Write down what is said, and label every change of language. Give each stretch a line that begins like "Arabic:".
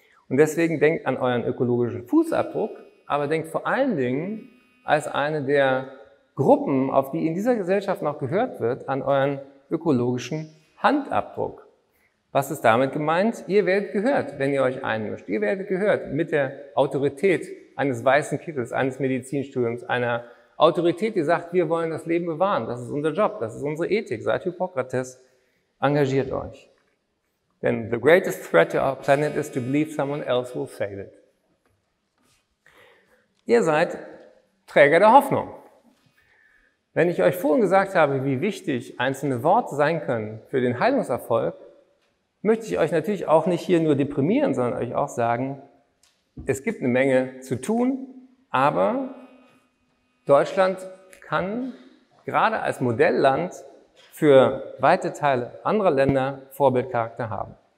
German: Und deswegen denkt an euren ökologischen Fußabdruck, aber denkt vor allen Dingen als eine der Gruppen, auf die in dieser Gesellschaft noch gehört wird, an euren ökologischen Handabdruck. Was ist damit gemeint? Ihr werdet gehört, wenn ihr euch einmischt. Ihr werdet gehört mit der Autorität eines weißen Kittels, eines Medizinstudiums, einer Autorität, die sagt, wir wollen das Leben bewahren. Das ist unser Job, das ist unsere Ethik. Seid Hippokrates, engagiert euch.
English: Denn the greatest threat to our planet is to believe someone else will save it.
German: Ihr seid Träger der Hoffnung. Wenn ich euch vorhin gesagt habe, wie wichtig einzelne Worte sein können für den Heilungserfolg, möchte ich euch natürlich auch nicht hier nur deprimieren, sondern euch auch sagen, es gibt eine Menge zu tun, aber Deutschland kann gerade als Modellland für weite Teile anderer Länder Vorbildcharakter haben.